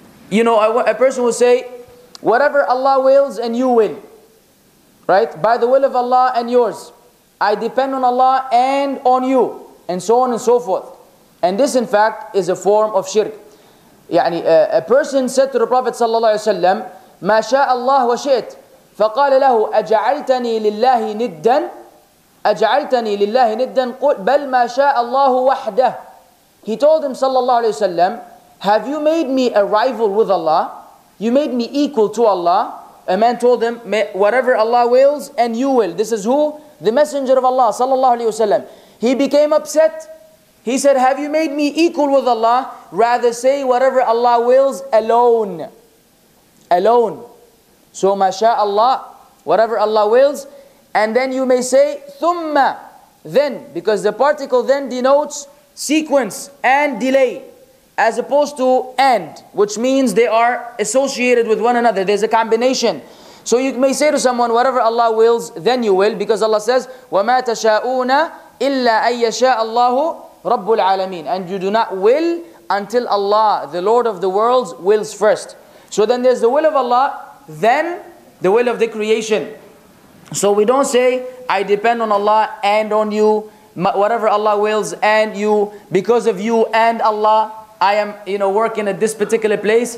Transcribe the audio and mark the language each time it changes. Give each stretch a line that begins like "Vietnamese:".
English: You know, a person will say, whatever Allah wills and you will. Right? By the will of Allah and yours. I depend on Allah and on you. And so on and so forth. And this, in fact, is a form of shirk.
Arabic: يعني,
English: a person said to the Prophet sallallahu alaihi wasallam,
Arabic: ما شاء الله وشئت. فقال له أجعلتني لله ندا أجعلتني لله ندا قل بل ما شاء الله وحده.
English: He told him sallallahu alaihi wasallam, have you made me a rival with Allah? You made me equal to Allah. A man told him, whatever Allah wills and you will. This is who? The Messenger of Allah sallallahu alaihi wasallam. He became upset. He said, have you made me equal with Allah? Rather say whatever Allah wills alone. Alone. So masha'Allah, whatever Allah wills. And then you may say, thumma, then. Because the particle then denotes sequence and delay. As opposed to and, which means they are associated with one another. There's a combination. So you may say to someone, whatever Allah wills, then you will. Because Allah says,
Arabic: وَمَا تَشَاءُونَ إِلَّا أَن يَشَاءَ اللَّهُ رَبُّ الْعَالَمِينَ.
English: And you do not will until Allah, the Lord of the worlds, wills first. So then there's the will of Allah, then the will of the creation. So we don't say, I depend on Allah and on you, whatever Allah wills and you, because of you and Allah, I am, you know, working at this particular place.